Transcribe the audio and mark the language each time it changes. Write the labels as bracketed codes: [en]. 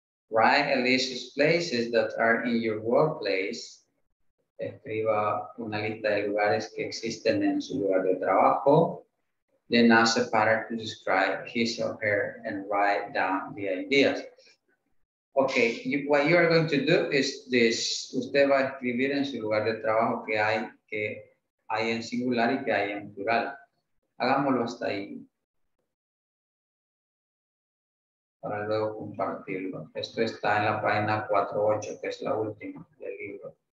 [en] Write a list of places that are in your workplace. [es] Escriba una lista de lugares que existen en su lugar de trabajo. [en] Then ask a partner to describe his or her and write down the ideas. Ok, what you are going to do is this. [es] Usted va a escribir en su lugar de trabajo que hay que hay en singular y que hay en plural. Hagámoslo hasta ahí. Para luego compartirlo. Esto está en la página 4.8, que es la última del libro.